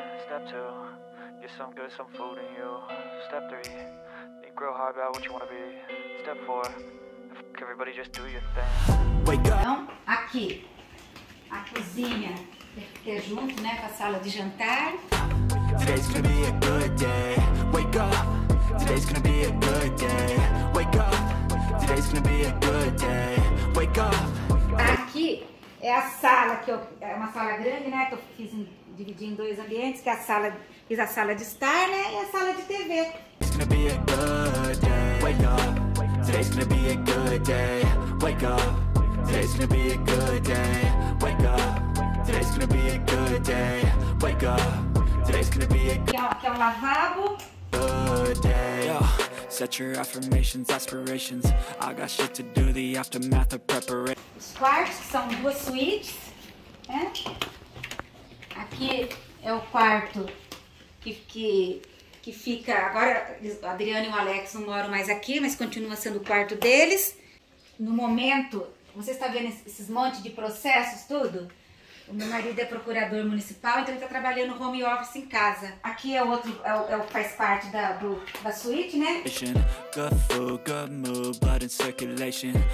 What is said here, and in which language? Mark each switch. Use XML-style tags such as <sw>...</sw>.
<en>Step two, get some good, some food in you. Step three, think real hard about what you wanna be. Step four, everybody just do your thing. Wake up.</en> <pt>Então, aqui. A cozinha que é junto, né, com a sala de jantar.</pt> <en>Today's gonna be a good day. Wake up. Today's gonna be a good day. Wake up. Today's gonna be a good day. Wake up.</en> <pt>Aqui é a sala que eu, é uma sala grande, né, que eu fiz em, dividi em dois ambientes, que é a sala, fiz a sala de estar, né, e a sala de TV.</pt> <en>It's gonna be a good day. Wake up. Today's gonna be a good day. Wake up. Today's gonna be a good day. Wake up. Today's gonna be a good day. Wake up. Today's gonna be a good day. Set your affirmations, aspirations. I got shit to do, the aftermath of preparation.</en> <pt>Os quartos que são duas suítes, né? Aqui é o quarto que fica. Agora a Adriana e o Alex não moram mais aqui, mas continua sendo o quarto deles. No momento, você está vendo esses montes de processos, tudo? O meu marido é procurador municipal, então ele está trabalhando home office em casa. Aqui é outro, é o que faz parte da suíte, né?</pt> <en>Good food, good mood, blood in circulation.</en>